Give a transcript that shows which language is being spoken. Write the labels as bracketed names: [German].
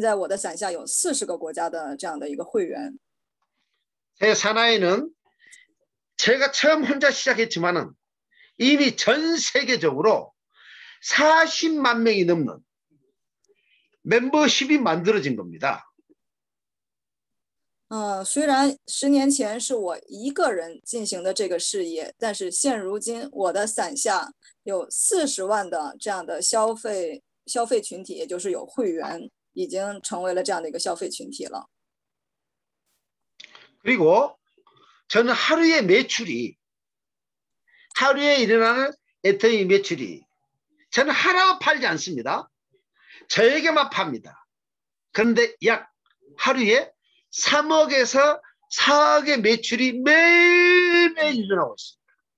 [Chinese] 现在目前爱多美呢已经进军了20个国家与地区，但是呢，在我卢正九的伞下呢，不只是这20个国家，就连没有开业的这样的国家，现在我的伞下有40个国家的这样的一个会员。 [Korean] 제 사나이는 제가 처음 혼자 시작했지만은 이미 전 세계적으로 40만 명이 넘는 멤버십이 만들어진 겁니다. [Chinese] 虽然10年前是我一个人进行的这个事业，但是现如今我的伞下有40万的这样的消费群体，也就是有会员，已经成为了这样的一个消费群体了。 [Korean] 그리고 저는 하루의 매출이 하루에 일어나는 에터니 매출이 저는 하나도 팔지 않습니다. 저에게만 팝니다. 그런데 약 하루에 3억에서 4억의 매출이 매일매일 일어나고 있습니다.